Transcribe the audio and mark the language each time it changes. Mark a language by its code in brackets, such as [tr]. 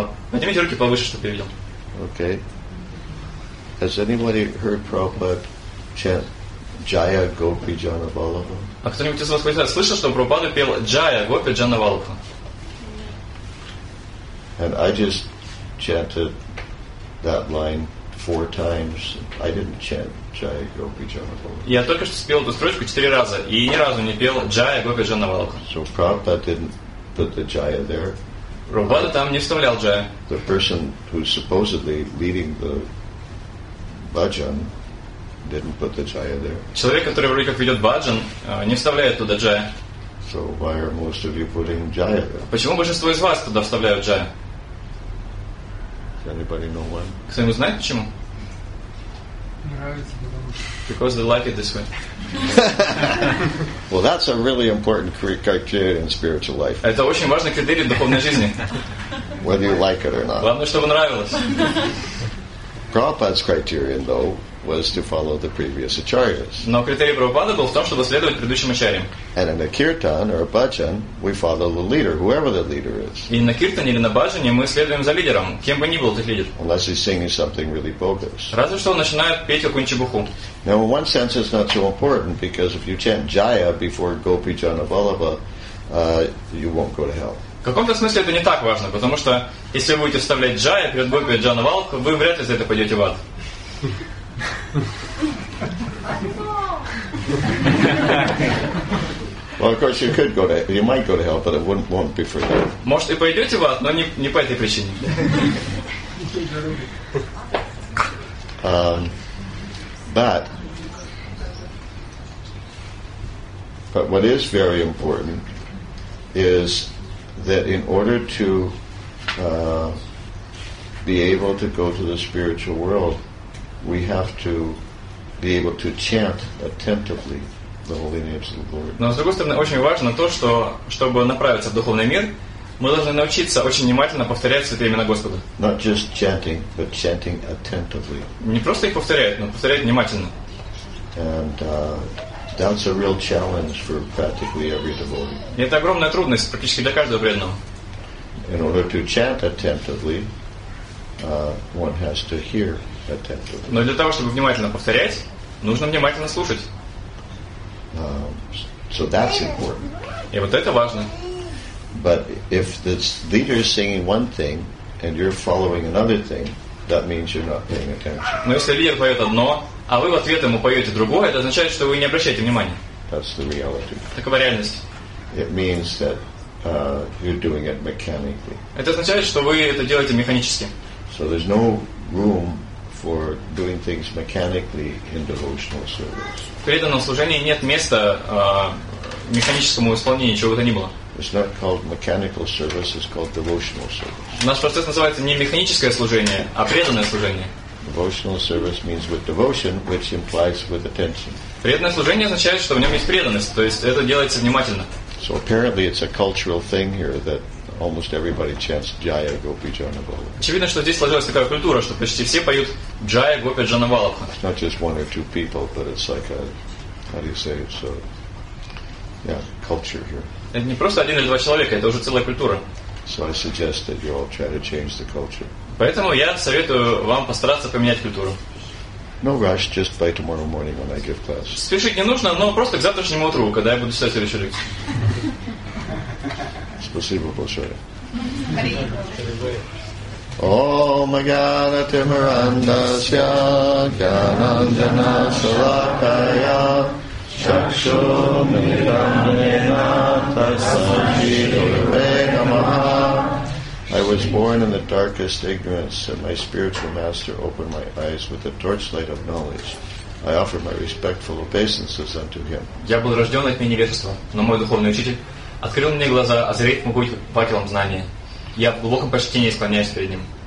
[ru] Поднимите руки повыше, чтобы я видел. [en] Okay. Has anybody heard Prabhupada chant Jaya Gopi Janavallabha? [ru] А кто-нибудь из вас слышал, что Прабхупада пел Джая Гопи Джанавалха? [en] And I just chanted that line four times. I didn't chant Jaya Gopi Janavalha. [ru] Я только что спел эту строчку 4 раза и ни разу не пел Джая Гопи Джанавалха. [en] So Prabhupada didn't put the Jaya there. [ru] Прабхупада там не вставлял Джая. [en] The person who supposedly leading the bhajan didn't put the jaya there. [ru] Человек, который вроде как ведет баджан, не вставляет туда джая. [en] So why are most of you putting jaya there? [ru] Почему большинство из вас туда вставляют джая? [en] Does anybody know why? [ru] Кто-нибудь знает почему? [en] Because they like it this way. Well, that's a really important criterion in spiritual life. [ru] Это очень важный критерий в духовной жизни. [en] Whether you like it or not. [ru] Главное, чтобы нравилось. [en] Prabhupada's criterion, though, was to follow the previous acharyas. [ru] Но критерий Прабхупады был в том, чтобы следовать предыдущим ачарьям. [en] And in a kirtan or a bhajan, we follow the leader, whoever the leader is. [ru] И на киртане или на бхаджане мы следуем за лидером, кем бы ни был этот лидер. [en] Unless he's singing something really bogus. [ru] Разве что он начинает петь какую-нибудь чебуху. [en] Now, in one sense, it's not so important because if you chant Jaya before Gopi Janavallabha, you won't go to hell. [ru] В каком-то смысле это не так важно, потому что если вы будете вставлять Джая перед Гопи Джанавалху, вы вряд ли за это пойдете в ад. [en] Well, of course, you could go to, you might go to hell, but it won't be for that. [ru] Может, и пойдете в ад, но не по этой причине. [en] But what is very important is that in order to be able to go to the spiritual world, we have to be able to chant attentively the holy names of the Lord. [ru] Но с другой стороны, очень важно то, что чтобы направиться в духовный мир, мы должны научиться очень внимательно повторять святые имена Господа. [en] Not just chanting, but chanting attentively. [ru] Не просто их повторять, но повторять внимательно. [en] And that's a real challenge for practically every devotee. [ru] И это огромная трудность практически для каждого преданного. [en] In order to chant attentively, one has to hear. [ru] Но для того, чтобы внимательно повторять, нужно внимательно слушать. [en] So that's important. [ru] И вот это важно. [en] But if the leader is singing one thing and you're following another thing, that means you're not paying attention. [ru] Но если лидер поет одно, а вы в ответ ему поете другое, это означает, что вы не обращаете внимания. [en] That's the reality. [ru] Такова реальность. [en] It means that you're doing it mechanically. [ru] Это означает, что вы это делаете механически. [en] So there's no room for doing things mechanically in devotional service. [ru] В преданном служении нет места механическому исполнению чего-то ни было. [en] It's not called mechanical service, it's called devotional service. [ru] Наш процесс называется не механическое служение, а преданное служение. [en] Devotional service means with devotion, which implies with attention. [ru] Преданное служение означает, что в нем есть преданность, то есть это делается внимательно. [en] So apparently it's a cultural thing here that almost everybody chants Jaya Gopi Janavalha. [ru] Очевидно, что здесь сложилась такая культура, что почти все поют Jaya Gopi Janavalha. [en] It's not just one or two people, but it's like a, how do you say it? So, yeah, culture here. [ru] Это не просто один или два человека, это уже целая культура. [en] So I suggest that you all try to change the culture. [ru] Поэтому я советую вам постараться поменять культуру. [en] No rush, just by tomorrow morning when I give class. [ru] Спешить не нужно, но просто к завтрашнему утру, когда я буду читать следующую лекцию. Спасибо большое. [sa] Om Agnate Mirandasya Gyananjana Salakaya Chakshum Nidhanena Tasajidurve Namaha. [en] I was born in the darkest ignorance, and my spiritual master opened my eyes with the torchlight of knowledge. I offer my respectful obeisances unto him. [ru] Я был рожден от невежества, но мой духовный учитель открыл мне глаза, озарив мой путь факелом знания. Я в глубоком почтении склоняюсь перед ним.